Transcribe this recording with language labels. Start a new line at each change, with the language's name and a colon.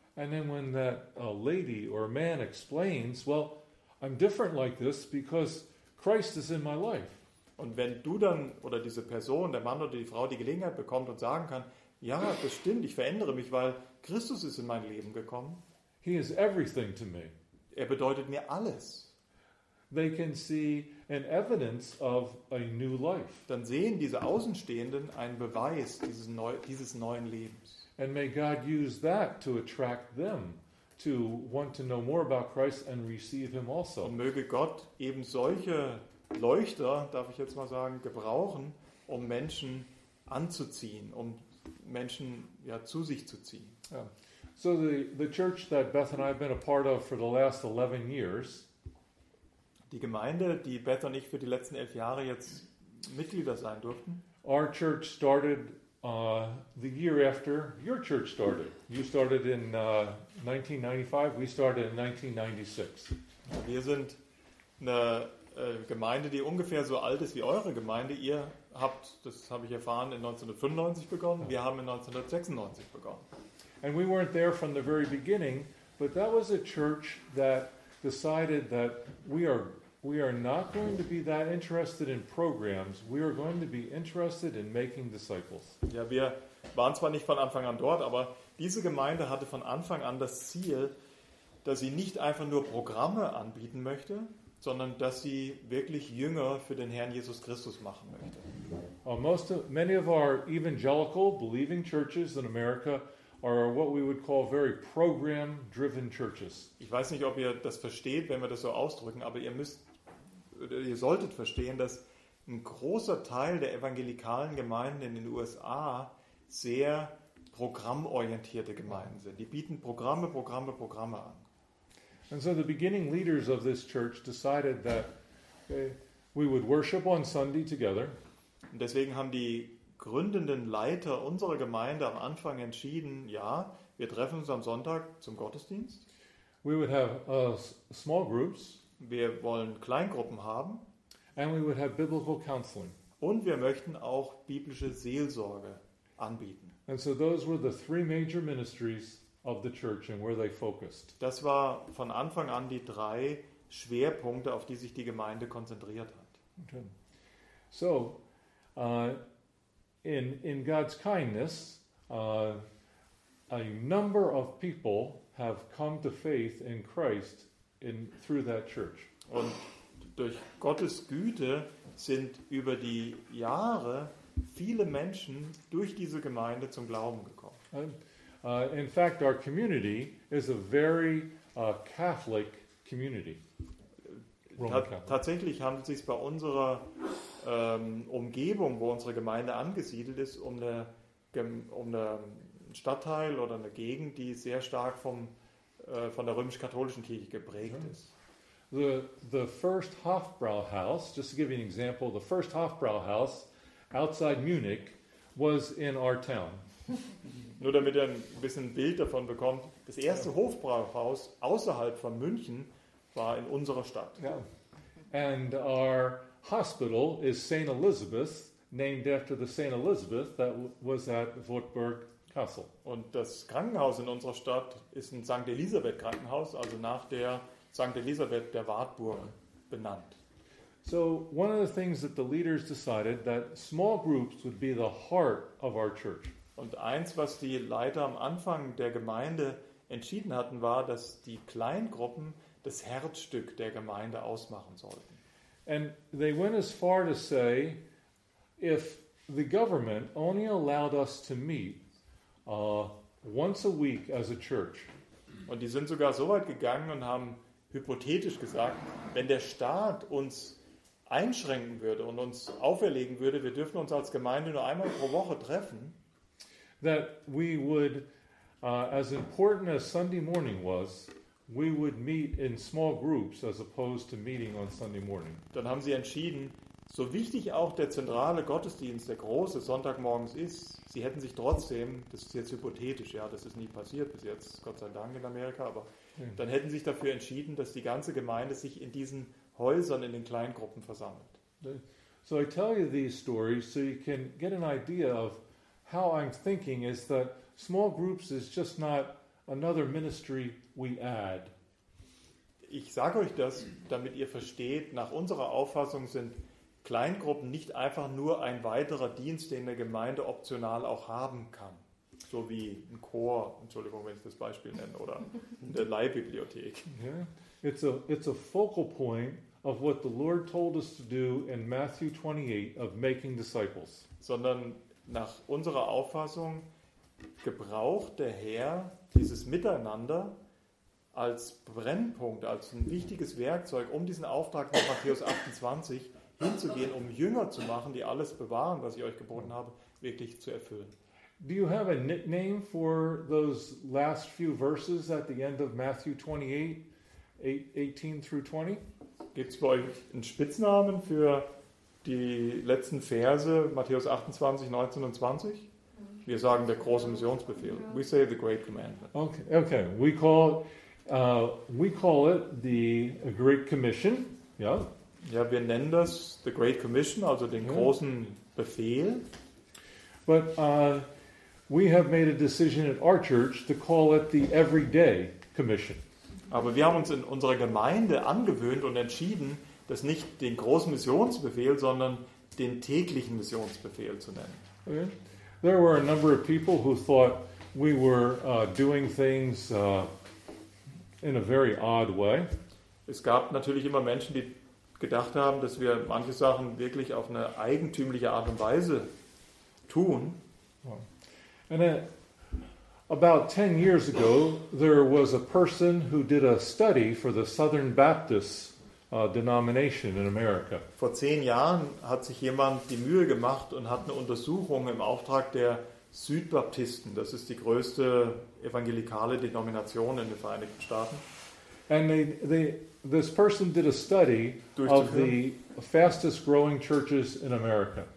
English: And then when that lady or man explains, well, I'm different like this because Christ is in my life.
German: Und wenn du dann oder diese Person, der Mann oder die Frau, die Gelegenheit bekommt und sagen kann, ja, das stimmt, ich verändere mich, weil Christus ist in mein Leben gekommen.
English: He is everything to me.
German: Er bedeutet mir alles.
English: They can see an evidence of a new life.
German: Dann sehen diese Außenstehenden einen Beweis dieses neuen Lebens.
English: And may God use that to attract them to want to know more about Christ and receive him also.
German: Und möge Gott eben solche Leuchter, darf ich jetzt mal sagen, gebrauchen, um Menschen anzuziehen, um Menschen ja zu sich zu ziehen.
English: Yeah. So the church that Beth and I have been a part of for the last 11 years.
German: Die Gemeinde, die Beth und ich für die letzten 11 Jahre jetzt Mitglieder sein durften.
English: Our church started the year after your church started. You started in 1995, we started in 1996.
German: Wir sind eine Gemeinde, die ungefähr so alt ist wie eure Gemeinde. Ihr habt, das habe ich erfahren, in 1995 begonnen. Wir haben in 1996 begonnen.
English: And we weren't there from the very beginning, but that was a church that decided that we are not going to be that interested in programs. We are going to be interested in making disciples.
German: Ja, wir waren zwar nicht von Anfang an dort, aber diese Gemeinde hatte von Anfang an das Ziel, dass sie nicht einfach nur Programme anbieten möchte, sondern dass sie wirklich Jünger für den Herrn Jesus Christus machen möchte.
English: Many of our evangelical believing churches in America are what we would call very program-driven churches.
German: Ich weiß nicht, ob ihr das versteht, wenn wir das so ausdrücken, aber ihr solltet verstehen, dass ein großer Teil der evangelikalen Gemeinden in den USA sehr programmorientierte Gemeinden sind. Die bieten Programme, Programme, Programme an.
English: And so the beginning leaders of this church decided that we would worship on Sunday together.
German: Und deswegen haben die gründenden Leiter unserer Gemeinde am Anfang entschieden, ja, wir treffen uns am Sonntag zum Gottesdienst.
English: We would have small groups.
German: Wir wollen Kleingruppen haben.
English: And we would have biblical counseling.
German: Und wir möchten auch biblische Seelsorge anbieten.
English: And so those were the three major ministries of the church and where they focused.
German: Das war von Anfang an die drei Schwerpunkte, auf die sich die Gemeinde konzentriert hat.
English: Okay. So, in God's kindness, a number of people have come to faith in Christ in through that church.
German: Und durch Gottes Güte sind über die Jahre viele Menschen durch diese Gemeinde zum Glauben gekommen.
English: In fact, our community is a very Catholic community.
German: Tatsächlich handelt es sich bei unserer Umgebung, wo unsere Gemeinde angesiedelt ist, um eine Stadtteil oder eine Gegend, die sehr stark von der römisch-katholischen Kirche geprägt ist.
English: The first Hofbrauhaus, just to give you an example, the first Hofbrauhaus outside Munich was in our town.
German: Nur damit ihr ein bisschen ein Bild davon bekommt, das erste Hofbrauhaus außerhalb von München war in unserer Stadt.
English: Yeah. And our hospital is St. Elizabeth, named after the St. Elizabeth that was at Wartburg Castle.
German: Und das Krankenhaus in unserer Stadt ist ein St. Elisabeth Krankenhaus, also nach der St. Elisabeth der Wartburg benannt.
English: So one of the things that the leaders decided that small groups would be the heart of our church.
German: Und eins, was die Leiter am Anfang der Gemeinde entschieden hatten, war, dass die Kleingruppen das Herzstück der Gemeinde ausmachen sollten.
English: And they went as far to say, if the government only allowed us to meet once a week as a church.
German: Und die sind sogar so weit gegangen und haben hypothetisch gesagt, wenn der Staat uns einschränken würde und uns auferlegen würde, wir dürfen uns als Gemeinde nur einmal pro Woche treffen,
English: that we would, as important as Sunday morning was, we would meet in small groups as opposed to meeting on Sunday morning.
German: Dann haben sie entschieden, so wichtig auch der zentrale Gottesdienst, der große Sonntagmorgens ist, sie hätten sich trotzdem, das ist jetzt hypothetisch, ja, das ist nie passiert bis jetzt, Gott sei Dank in Amerika, aber dann hätten sie sich dafür entschieden, dass die ganze Gemeinde sich in diesen Häusern, in den Kleingruppen versammelt.
English: So I tell you these stories so you can get an idea of how I'm thinking is that small groups is just not another ministry we add.
German: Ich sage euch das, damit ihr versteht, nach unserer Auffassung sind Kleingruppen nicht einfach nur ein weiterer Dienst, den eine Gemeinde optional auch haben kann. So wie ein Chor, Entschuldigung, wenn ich das Beispiel nenne, oder eine Leihbibliothek.
English: Yeah. It's a focal point of what the Lord told us to do in Matthew 28 of making disciples.
German: Sondern nach unserer Auffassung gebraucht der Herr dieses Miteinander als Brennpunkt, als ein wichtiges Werkzeug, um diesen Auftrag von Matthäus 28 hinzugehen, um Jünger zu machen, die alles bewahren, was ich euch geboten habe, wirklich zu erfüllen.
English: Do you have a nickname for those last few verses at the end of Matthew 28:18-20?
German: Gibt's bei euch einen Spitznamen für die letzten Verse, Matthäus 28, 19 und 20? Wir sagen der große Missionsbefehl.
English: We say the Great Commandment. Okay. We call it the Great Commission. Yeah.
German: Ja, wir nennen das the Great Commission, also den großen Befehl.
English: But we have made a decision at our church to call it the Everyday Commission.
German: Aber wir haben uns in unserer Gemeinde angewöhnt und entschieden, das nicht den großen Missionsbefehl, sondern den täglichen Missionsbefehl zu nennen.
English: Okay. There were a number of people who thought we were doing things in a very odd way.
German: Es gab natürlich immer Menschen, die gedacht haben, dass wir manche Sachen wirklich auf eine eigentümliche Art und Weise tun.
English: And about 10 years ago, there was a person who did a study for the Southern Baptist denomination in America.
German: Vor 10 Jahren hat sich jemand die Mühe gemacht und hat eine Untersuchung im Auftrag der Südbaptisten, das ist die größte evangelikale Denomination in den Vereinigten Staaten.
English: And this person did a study of the fastest growing churches in America.